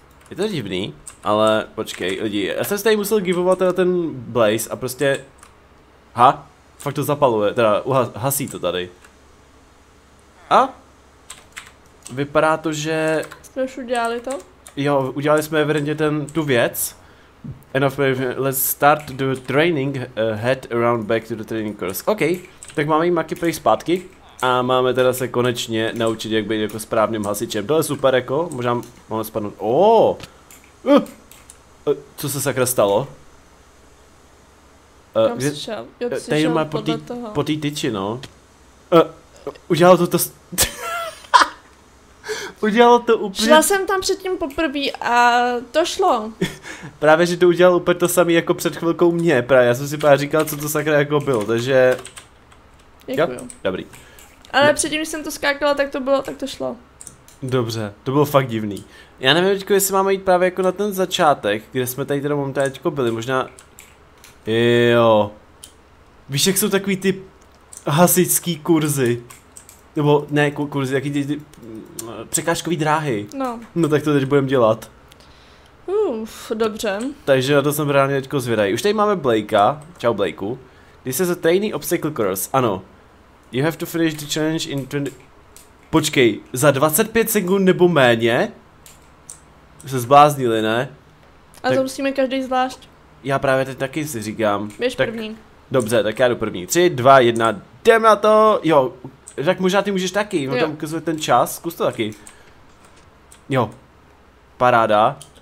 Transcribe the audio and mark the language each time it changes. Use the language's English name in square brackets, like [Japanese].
[Czech] Je to divný, ale počkej, lidi, já jsem si tady musel giveovat teda ten Blaze a prostě... Ha? Fakt to zapaluje, teda hasí to tady. A? Vypadá to, že... Jsme už udělali to? Jo, udělali jsme evidentně tu věc. [English] Enough, let's start the training, head around back to the training course. [Czech] OK, tak máme jí Maki prý zpátky. A máme teda se konečně naučit, jak být jako správným hasičem. To je super jako, možná máme spadnout. Co se sakra stalo? Kam slyšel? Jo, slyšel podle toho. Po tý tyči, no. Udělal to to... udělalo to úplně... Šla jsem tam předtím poprvé a to šlo. Právě, že to udělal úplně to samé jako před chvilkou mě, právě. Já jsem si právě říkal, co to sakra jako bylo, takže... Děkuju. Jo, dobrý. Ale předtím, když jsem to skákala, tak to bylo, tak to šlo. Dobře, to bylo fakt divný. Já nevím, teďko, jestli máme jít právě jako na ten začátek, kde jsme tady teda momentálně byli, možná... Jo. Víš, jak jsou takový ty hasičský kurzy? Nebo ne kurzy, jaký ty překážkový dráhy. No. No tak to teď budeme dělat. Dobře. Takže na to jsem reálně teďko zvědají. Už tady máme Blakea. Čau Blakeu. [English] This is a tiny obstacle course. Ano. You have to finish the challenge in 20... [Czech] Počkej, za 25 sekund nebo méně? Se zbláznili, ne? A tak... to musíme každý zvlášť. Já právě teď taky si říkám. Běž tak... první. Dobře, tak já jdu první. 3, 2, 1, jdem na to! Jo, tak možná ty můžeš taky, jo. Tam ukazuje ten čas, zkus to taky. Jo. Paráda.